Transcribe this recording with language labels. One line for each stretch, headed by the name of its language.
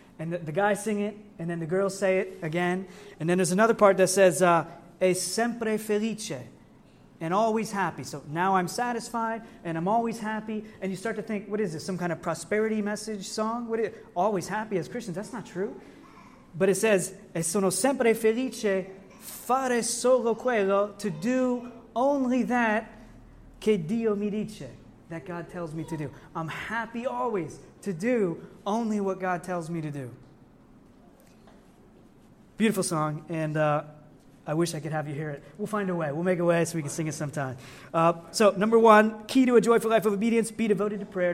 English: And the guys sing it, and then the girls say it again. And then there's another part that says,
Italian: è sempre felice,
English: and always happy. So now I'm satisfied, and I'm always happy. And you start to think, what is this, some kind of prosperity message song? What is it? Always happy as Christians, that's not true. But it says,
Italian: e sono sempre felice fare solo quello,
English: to do only that
Italian: che Dio mi dice,
English: that God tells me to do. I'm happy always to do only what God tells me to do. Beautiful song, and I wish I could have you hear it. We'll find a way. We'll make a way so we can sing it sometime. So number one, key to a joyful life of obedience, be devoted to prayer.